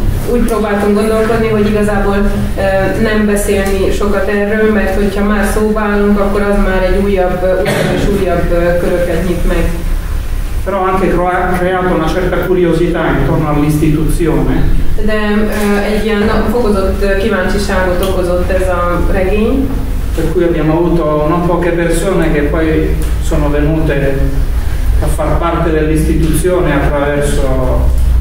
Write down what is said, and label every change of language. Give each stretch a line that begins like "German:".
Hungarian: Úgy próbáltunk gondolkodni, hogy igazából nem beszélni sokat erről, mert hogyha már szóba állunk, akkor az már egy újabb és újabb köröket nyit meg.
Italian: Però anche creato una certa curiosità intorno all'istituzione.
Hungarian: De egy ilyen fokozott kíváncsiságot okozott ez a regény.
Italian: Per cui abbiamo avuto non poche persone che poi sono venute a far parte dell'istituzione attraverso